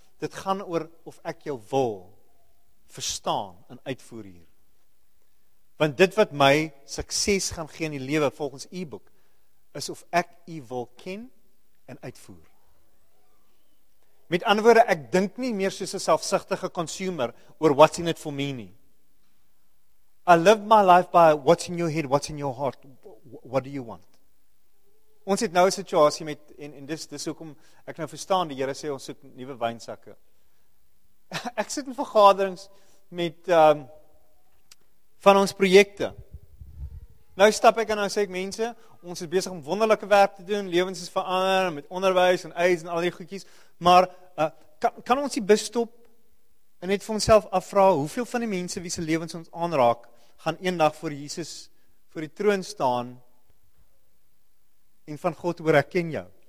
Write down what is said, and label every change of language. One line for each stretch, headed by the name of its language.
Afrikaans: Dit gaan oor of ek jou wil verstaan en uitvoer hier. Want dit wat my sukses gaan gee in die lewe volgens u boek, is of ek u wil ken en uitvoer. Met ander woorde, ek dink nie meer soos 'n selfsugtige consumer oor
English: what's in it for me
Afrikaans: nie.
English: I live my life by what's in your head, what's in your heart, what do you want?
Afrikaans: Ons het nou 'n situasie met, en dis hoekom ek nou verstaan, die Here sê ons soek nuwe wynsakke. Ek sit in vergaderings met van ons projekte. Nou stap ek en nou sê ek, mense, ons is besig om wonderlike werk te doen, lewens is verander, met onderwys en eis en al die goedjies, maar kan ons die bus stop en net vir onsself afvra, hoeveel van die mense wie se lewens ons aanraak, gaan eendag voor Jesus, voor die troon staan en van God hoor, ek ken jou.